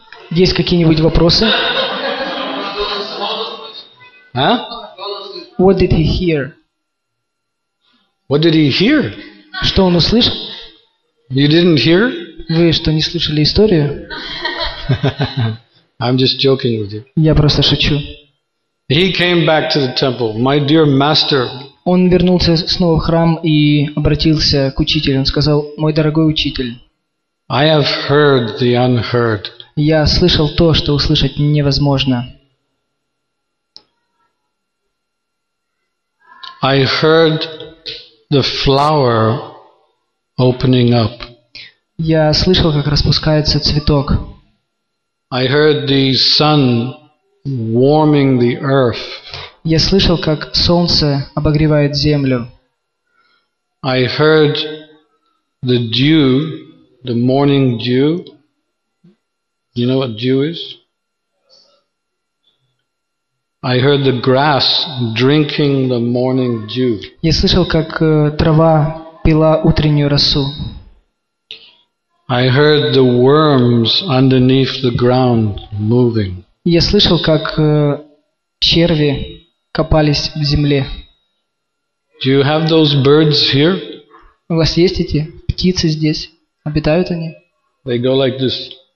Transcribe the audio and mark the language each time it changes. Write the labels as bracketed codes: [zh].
[ru] Есть какие-нибудь вопросы? Huh? [en] What did he hear? What did he hear? [ru] Что он услышал? [en] You didn't hear? [ru] Вы что, не слышали историю? [en] I'm just joking with you. [ru] Я просто шучу. [en] He came back to the temple, my dear master. [ru] Он вернулся снова в храм и обратился к учителю. Он сказал: «Мой дорогой учитель». [en] I have heard the unheard. [ru] Я слышал то, что услышать невозможно. [en] I heard the flower opening up. [ru] Я слышал, как распускается цветок. [en] I heard the sun warming the earth. [ru] Я слышал, как солнце обогревает землю. [en] I heard the dew, the morning dew. You know what dew is? I heard the grass drinking the morning dew. [ru] Я слышал, как трава пила утреннюю росу. [en] I heard the worms underneath the ground moving. [ru] Я слышал, как черви копались в земле. [en] Do you have those birds here? [ru] У вас есть эти птицы здесь? Обитают они? [en] They go like this.